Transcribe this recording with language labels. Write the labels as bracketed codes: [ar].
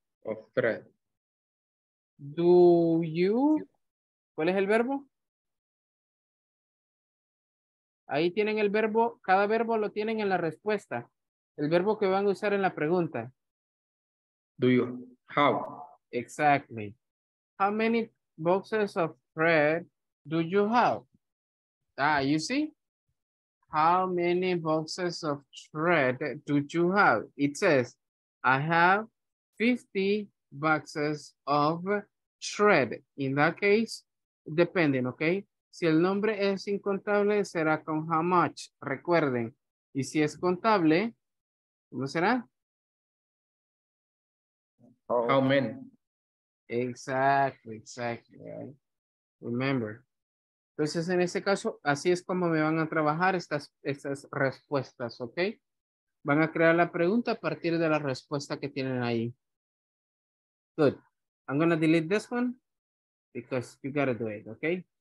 [en] Of thread. Do you? [es] ¿Cuál es el verbo? Ahí tienen el verbo, cada verbo lo tienen en la respuesta. El verbo que van a usar en la pregunta. [en] Do you, how? Exactly. How many boxes of thread do you have? Ah, you see? How many boxes of thread do you have? It says, I have 50 boxes of thread. In that case, depending, okay? [es] Si el nombre es incontable, será con how much, recuerden. Y si es contable, ¿cómo será? [en] How many. Exactly. Right? Remember. [es] Entonces, en ese caso, así es como me van a trabajar estas respuestas, ¿ok? Van a crear la pregunta a partir de la respuesta que tienen ahí. [en] Good. I'm going to delete this one because you got to do it, ¿ok?